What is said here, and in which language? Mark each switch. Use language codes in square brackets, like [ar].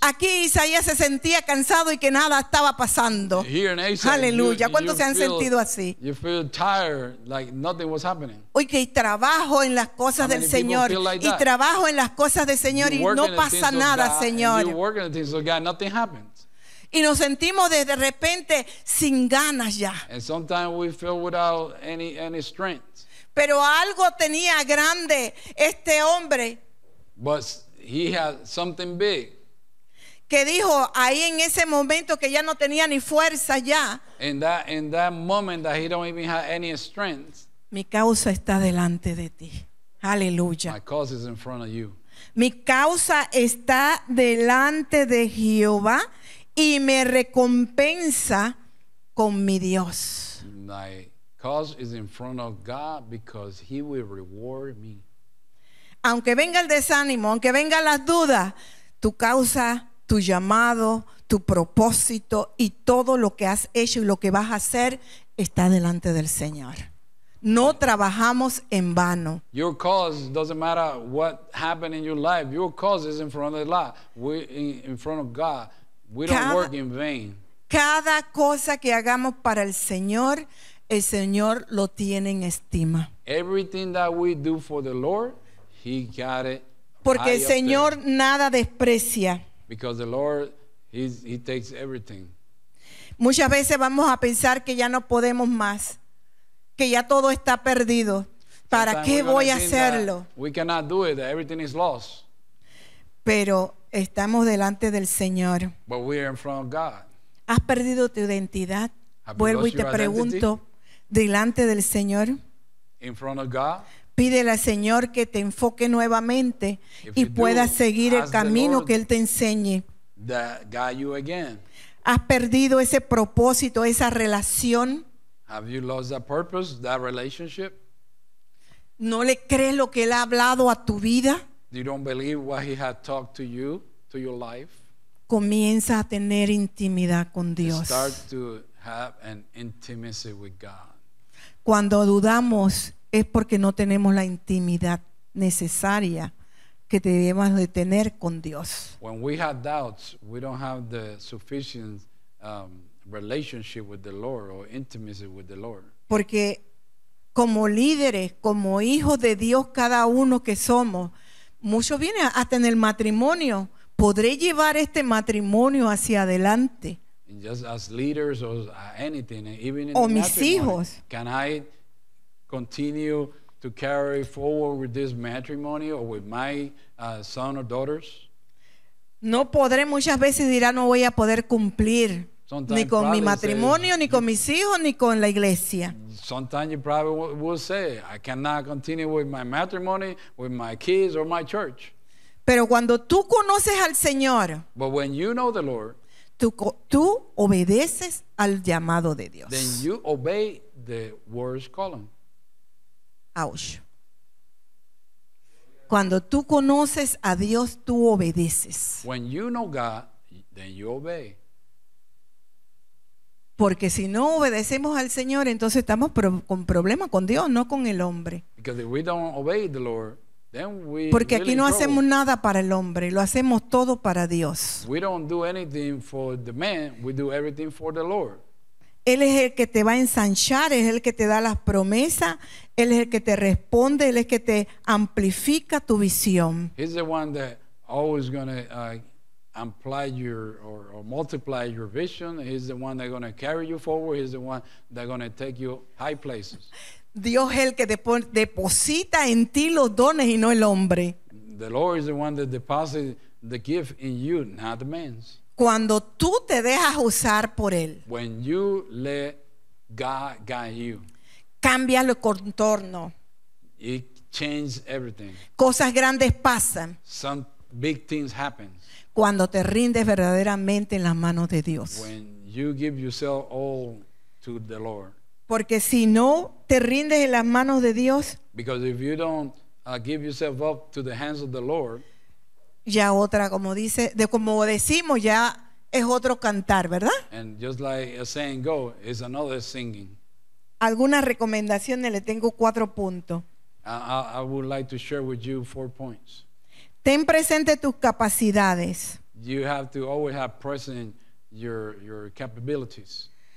[es] Aquí Isaías se sentía cansado y que nada estaba pasando. [en] Here in Asia, [es] aleluya. ¿Cuántos se han sentido así? [en] You feel tired, like nothing was happening. [es] Hoy que trabajo en las cosas del Señor y trabajo en las cosas del Señor y no pasa nada, Señor. [en] You're working on things of God, nothing happens. [es] Y nos sentimos de repente sin ganas ya. [en] And sometimes we feel without any strength. [es] Pero algo tenía grande este hombre. [en] But he had something big. [es] Que dijo ahí en ese momento que ya no tenía ni fuerza ya. [en] In that moment that he don't even have any strength. [es] Mi causa está delante de ti. Aleluya. [en] My cause is in front of you. [es] Mi causa está delante de Jehová y me recompensa con mi Dios. [en] My cause is in front of God because he will reward me. [es] Aunque venga el desánimo, aunque vengan las dudas, tu causa, tu llamado, tu propósito y todo lo que has hecho y lo que vas a hacer está delante del Señor. No trabajamos en vano. [en] Your cause doesn't matter what happened in your life. Your cause is in front of God. In front of God. We don't work in vain. [es] Cada cosa que hagamos para el Señor lo tiene en estima. [en] Everything that we do for the Lord, he got it. [es] Porque el Señor nada desprecia. [en] Because the Lord, he takes everything. [es] Muchas veces vamos a pensar que ya no podemos más, que ya todo está perdido. ¿Para qué voy a hacerlo? [en] We cannot do it, that everything is lost. [es] Pero estamos delante del Señor. [en] But we are in front of God. [es] ¿Has perdido tu identidad? Vuelvo y te pregunto, delante del Señor. [en] In front of God. [es] Pídele al Señor que te enfoque nuevamente y puedas seguir el camino que Él te enseñe. [en] That guide you again. [es] ¿Has perdido ese propósito, esa relación? [en] Have you lost that purpose, that relationship? [es] ¿No le crees lo que Él ha hablado a tu vida? [en] You don't believe what he had talked to you, to your life. [es] Comienza a tener intimidad con Dios. [en] Start to have an intimacy with God. [es] Cuando dudamos es porque no tenemos la intimidad necesaria que debemos de tener con Dios. [en] When we have doubts, we don't have the sufficient relationship with the Lord or intimacy with the Lord. [es] Porque como líderes, como hijos de Dios, cada uno que somos, muchos vienen hasta en el matrimonio. ¿Podré llevar este matrimonio hacia adelante? [en] Just as leaders or anything, even in [es] o mis hijos. [en] Can I continue to carry forward with this matrimony or with my son or daughters? [es] No podré, muchas veces dirá, no voy a poder cumplir. [en] Sometimes [es] ni con mi matrimonio, ni con mis hijos, ni con la iglesia. [en] Sometimes you probably will say, I cannot continue with my matrimony, with my kids, or my church. [es] Pero cuando tú conoces al Señor, [en] but when you know the Lord, [es] tú obedeces al llamado de Dios. [en] Then you obey the word's calling. Ouch. [es] Cuando tú conoces a Dios, tú obedeces. [en] When you know God, then you obey. [es] Porque si no obedecemos al Señor, entonces estamos con problemas con Dios, no con el hombre. [en] Because if we don't obey the Lord, then we [es] porque [en] really [es] aquí no hacemos nada para el hombre, lo hacemos todo para Dios. [en] We don't do anything for the man, we do everything for the Lord. [es] Él es el que te va a ensanchar, es el que te da las promesas, él es el que te responde, él es el que te amplifica tu visión. [en] He's the one that always gonna amplify your or multiply your vision. He's the one that's going to carry you forward. He's the one that's going to take you high places. [es] Dios es el que deposita en ti los dones y no el hombre. [en] The Lord is the one that deposits the gift in you, not the man's. [es] Cuando tú te dejas usar por él. [en] When you let God guide you. [es] Cambia el contorno. [en] It changes everything. [es] Cosas grandes pasan. [en] Some big things happen. [es] Cuando te rindes verdaderamente en las manos de Dios. [en] When you give yourself all to the Lord. [es] Porque si no te rindes en las manos de Dios. [en] Because if you don't give yourself up to the hands of the Lord. [es] Ya otra, como dice, de como decimos, ya es otro cantar, ¿verdad? [en] And just like a saying go, it's another singing. [es] Algunas recomendaciones, le tengo cuatro puntos. [en] I would like to share with you 4 points. [es] Ten presente tus capacidades. [en] You have to always have present your capabilities.